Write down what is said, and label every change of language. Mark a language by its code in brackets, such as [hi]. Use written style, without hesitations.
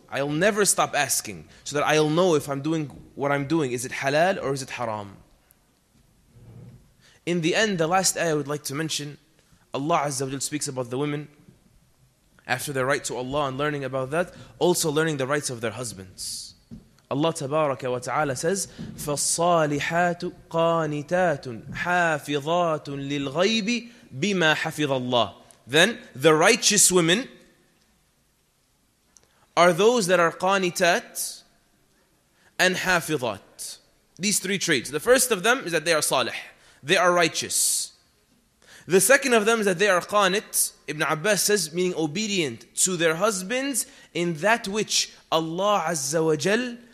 [en] I'll never stop asking so that I'll know if I'm doing what I'm doing. Is it halal or is it haram? In the end, the last ayah I would like to mention, Allah Azza wa Jal speaks about the women after their right to Allah and learning about that, also learning the rights of their husbands. Allah Tabaraka wa Ta'ala says, [ar] فَالصَّالِحَاتُ قَانِتَاتٌ حَافِظَاتٌ لِلْغَيْبِ بِمَا حَفِظَ اللَّهِ. [en] Then the righteous women are those that are qanitat and hafidat. These three traits. The first of them is that they are salih. They are righteous. The second of them is that they are qanit. Ibn Abbas says, meaning obedient to their husbands in that which Allah Azza wa Jal